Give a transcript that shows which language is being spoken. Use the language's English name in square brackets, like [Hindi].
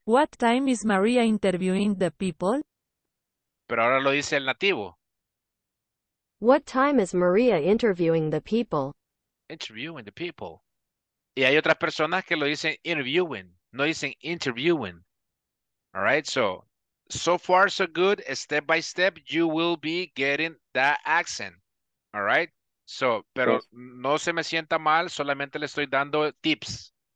[English] What time is Maria interviewing the people? [Spanish] Pero ahora lo dice el nativo. [English] What time is Maria interviewing the people? Interviewing the people. [Spanish] Y hay otras personas que lo dicen interviewing. No dicen interviewing. [English] All right, so far so good. Step by step, you will be getting that accent. All right, so, [Spanish] pero sí. No se me sienta mal, solamente le estoy dando tips.